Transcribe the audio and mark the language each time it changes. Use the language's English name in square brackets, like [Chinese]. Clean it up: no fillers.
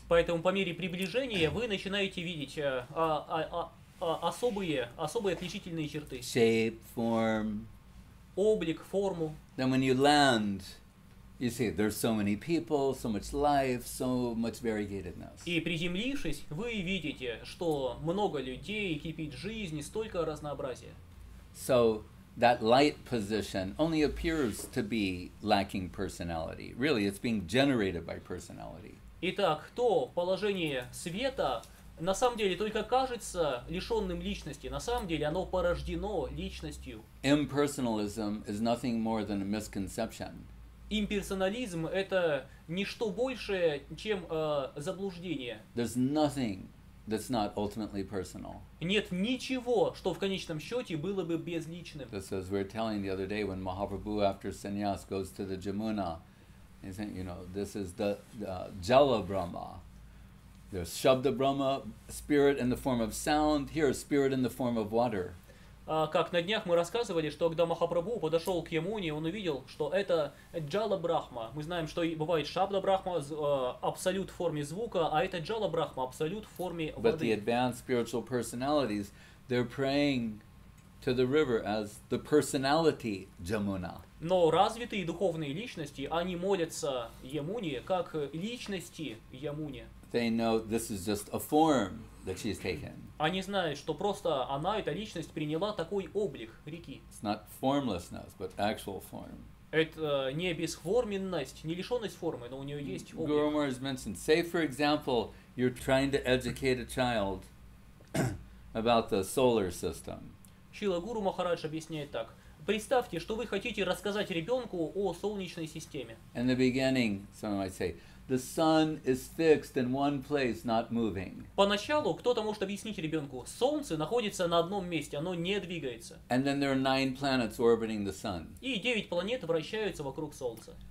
[Russian] Поэтому по мере приближения вы начинаете видеть особые отличительные черты. [English] Shape, form. [Russian] Облик, форму. [English] Then when you land, You see, there's so many people, so much life, so much variegatedness. [Russian] И приземлившись, вы видите, что много людей, кипит жизнь, столько разнообразия. [English] So that light position only appears to be lacking personality. Really, it's being generated by personality. [Russian] Итак, то положение света на самом деле только кажется лишенным личности. На самом деле оно порождено личностью. [English] Impersonalism is nothing more than a misconception. [Russian] Имперсонализм — это ничто большее, чем заблуждение. [English] There's nothing that's not ultimately personal. [Russian] Нет ничего, что в конечном счете было бы безличным. [English] This is, we were telling the other day, when Mahaprabhu, after sannyas, goes to the Jamuna, he said, you know, this is the Jala Brahma. There's Shabda Brahma, spirit in the form of sound. Here, spirit in the form of water. [Russian] Как на днях мы рассказывали, что когда Махапрабху подошел к Ямуне, он увидел, что это Джала Брахма. Мы знаем, что бывает Шабда Брахма, абсолют в форме звука, а это Джала Брахма, абсолют в форме воды. [English] But the advanced spiritual personalities, they're praying to the river as the personality Jamuna. [Russian] Но развитые духовные личности, они молятся Ямуне как личности Ямуне. [English] They know this is just a form that she's taken. [Russian] Они знают, что просто она, эта личность, приняла такой облик реки. [English] It's not formlessness, but actual form. [Russian] Это не бесформенность, не лишенность формы, но у нее есть облик. [English] Guru Maharaj mentioned, say, for example, you're trying to educate a child about the solar system. [Russian] Шрила Гуру Махарадж объясняет так. Представьте, что вы хотите рассказать ребенку о солнечной системе. [English] In the beginning, someone might say, The sun is fixed in one place, not moving. [Russian] Поначалу кто-то может объяснить ребенку, солнце находится на одном месте, оно не двигается. [English] And then there are 9 planets orbiting the sun. [Russian] И 9 планет вращаются вокруг солнца.